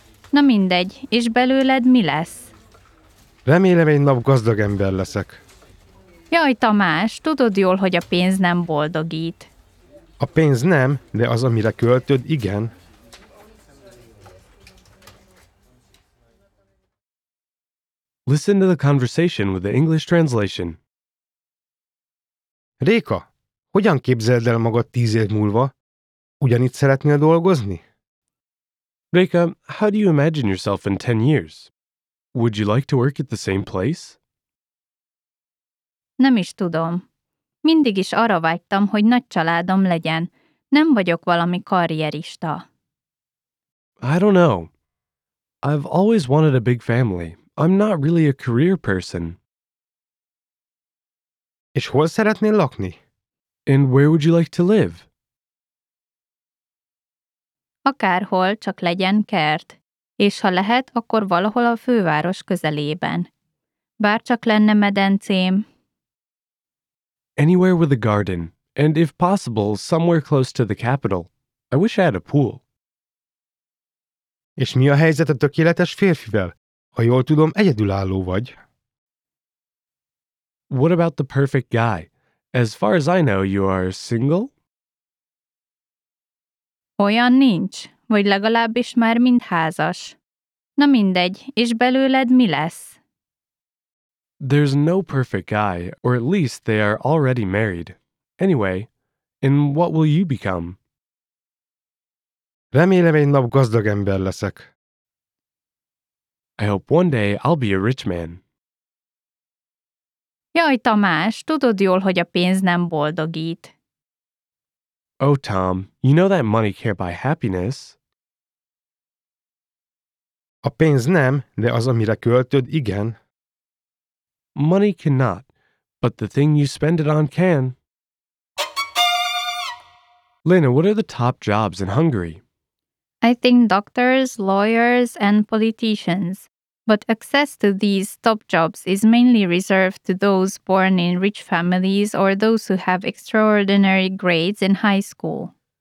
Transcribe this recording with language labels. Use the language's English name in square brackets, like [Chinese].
[Hungarian] Na mindegy, és belőled mi lesz? Remélem, egy nap gazdag ember leszek. Jaj, Tamás, tudod jól, hogy a pénz nem boldogít. A pénz nem, de az, amire költöd, igen. [English] Listen to the conversation with the English translation. [Hungarian] Réka, hogyan képzeld el magad 10 év múlva? Ugyanitt szeretnél dolgozni? [English] Réka, how do you imagine yourself in 10 years? Would you like to work at the same place? [Hungarian] Nem is tudom. Mindig is arra vágytam, hogy nagy családom legyen. Nem vagyok valami karrierista. [English] I don't know. I've always wanted a big family. I'm not really a career person. [Hungarian] És hol szeretnél lakni? [English] And where would you like to live? [Hungarian] Akárhol, csak legyen kert. És ha lehet, akkor valahol a főváros közelében. Bárcsak lenne medencém. [English] Anywhere with a garden, and if possible, somewhere close to the capital. I wish I had a pool. [Hungarian] És mi a helyzet a tökéletes férfivel? Ha jól tudom, egyedülálló vagy. [English] What about the perfect guy? As far as I know, you are single? [Hungarian] Olyan nincs, vagy legalábbis már mind házas. Na mindegy, és belőled mi lesz? [English] There's no perfect guy, or at least they are already married. Anyway, and what will you become? [Hungarian] Remélem, egy nap gazdag ember leszek. [English] I hope one day I'll be a rich man. [Hungarian] Jaj, Tamás, tudod jól, hogy a pénz nem boldogít. [English] Oh, Tom, you know that money can't buy happiness. [Hungarian] A pénz nem, de az, amire költöd, igen. [English] Money cannot, but the thing you spend it on can. Lena, what are the top jobs in Hungary? I think doctors, lawyers, and politicians. But access to these top jobs is mainly reserved to those born in rich families or those who have extraordinary grades in high school.